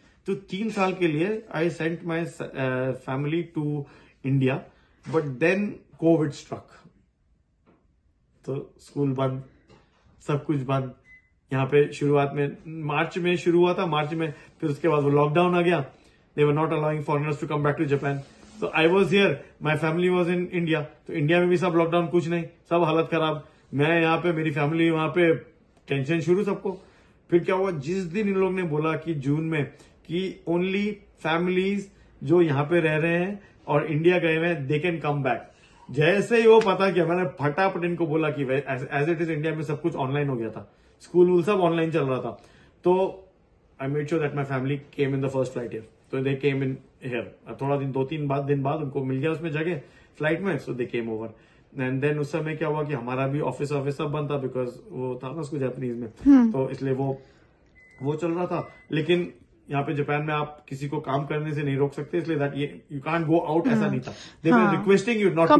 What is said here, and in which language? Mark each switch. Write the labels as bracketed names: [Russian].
[Hindi] तो 3 साल के लिए [English] I sent my family to India, but then Covid struck, [Hindi] तो स्कूल बंद, सब कुछ बंद. यहाँ पे शुरुआत में मार्च में शुरू हुआ था, मार्च में फिर उसके बाद वो लॉकडाउन आ गया. [English] They were not allowing foreigners to come back to Japan. So I was here. My family was in India. So India [Hindi] में भी सब [English] lockdown, [Hindi] कुछ नहीं, सब हालत खराब. मैं यहाँ पे, मेरी family वहाँ पे, tension शुरू सबको. फिर क्या हुआ, जिस दिन इन लोग ने बोला कि जून में कि only families जो यहाँ पे रह रहे हैं और India गए हैं, [English] they can come back. [Hindi] जैसे ही वो पता किया, मैंने फटाफट इनको बोला कि [English] as it is [Hindi] India में सब कुछ online हो गया था, school वूल सब online चल रहा था. [English] तो I made sure that my family came in the first flight here. [Hindi] तो [English] they came in here, [Hindi] थोड़ा दिन, 2-3 दिन बाद उनको मिल गया उसमें जगह फ्लाइट में, [English] So they came over. And then [Hindi] उस समय क्या हुआ कि हमारा भी ऑफिस सब बंद था, बिकॉज वो था ना उसको जापानीज में, तो इसलिए वो चल रहा था. लेकिन यहाँ पे जापान में आप किसी को काम करने से नहीं रोक सकते, इसलिए [English] that you can't go out, [Hindi] ऐसा नहीं था, [English] they were requesting you not to go out,